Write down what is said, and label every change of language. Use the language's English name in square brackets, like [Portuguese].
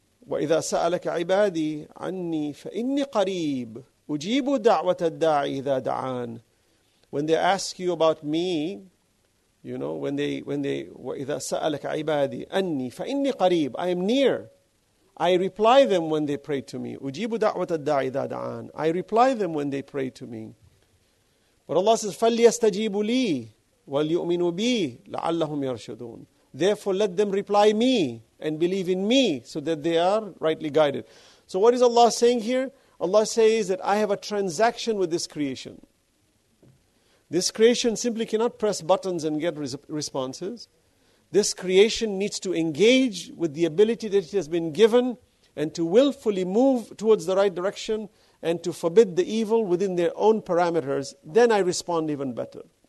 [Arabic] وَإِذَا سَأَلَكَ عِبَادِي عَنِّي فَإِنِّي قَرِيبٌ أُجِيبُ دَعْوَةَ الدَّاعِ إِذَا دَعَانِ. [English] When they ask you about me, you know, when they [Arabic] وَإِذَا سَأَلَكَ عِبَادِي أَنِّي فَإِنِّي قَرِيبٌ, [English] I am near. I reply them when they pray to me. [Arabic] أُجِيبُ دَعْوَةَ الدَّاعِ إِذَا دَعَانِ. [English] I reply them when they pray to me. But Allah says, [Arabic] فَلْيَسْتَجِيبُ لِي وَلْيُؤْمِنُ بِي لَعَلَّهُمْ يَرْشُدُونَ. [English] Therefore, let them reply me and believe in me so that they are rightly guided. So what is Allah saying here? Allah says that I have a transaction with this creation. This creation simply cannot press buttons and get responses. This creation needs to engage with the ability that it has been given and to willfully move towards the right direction and to forbid the evil within their own parameters, then I respond even better.